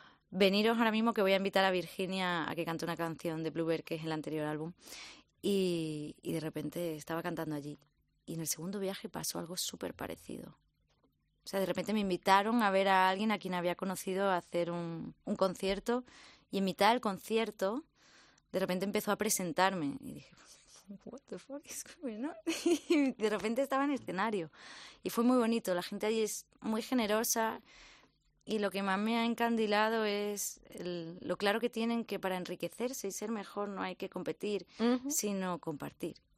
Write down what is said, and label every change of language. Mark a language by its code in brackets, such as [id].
[es] Veniros ahora mismo que voy a invitar a Virginia a que cante una canción de Bluebird, que es el anterior álbum. Y de repente estaba cantando allí. Y en el segundo viaje pasó algo súper parecido. O sea, de repente me invitaron a ver a alguien a quien había conocido a hacer un concierto. Y en mitad del concierto, de repente empezó a presentarme. Y dije, [en] what the fuck is going on? [es] Y de repente estaba en el escenario. Y fue muy bonito. La gente allí es muy generosa. Y lo que más me ha encandilado es lo claro que tienen que para enriquecerse y ser mejor no hay que competir, sino compartir.